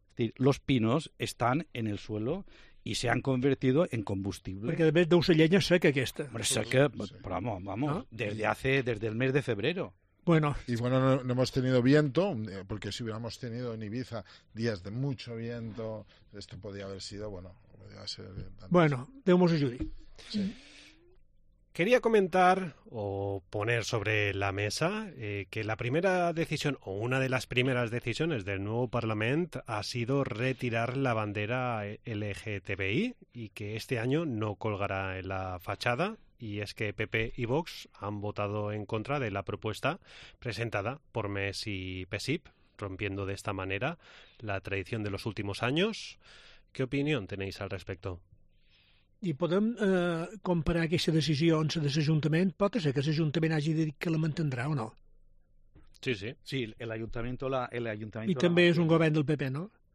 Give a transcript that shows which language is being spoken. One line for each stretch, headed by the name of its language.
Spanish: Es decir, los pinos están en el suelo y se han convertido en combustible.
Catalan: Perquè, a més, deu ser llenya seca, aquesta.
Spanish: Hombre, seca, però vamos, ¿no? Desde el mes de febrero. Bueno. Y bueno, no hemos tenido viento, porque si hubiéramos tenido en Ibiza días de mucho viento, esto podría haber sido, bueno, podría ser... Bueno, debemos ayudar. Sí. Quería comentar o poner sobre la mesa que la primera decisión o una de las primeras decisiones del nuevo Parlament ha sido retirar la bandera LGTBI y que este año no colgará en la fachada. Y es que PP y Vox han votado en contra de la propuesta presentada por MES y PSIP, rompiendo de esta manera la tradición de los últimos años. ¿Qué opinión tenéis al respecto?
Catalan: I podem comparar aquesta decisió amb la de l'Ajuntament? Pot ser que l'Ajuntament hagi dit que la mantindrà o no? Sí, sí. Sí, l'Ajuntament o l'Ajuntament... I també és un govern del PP, no?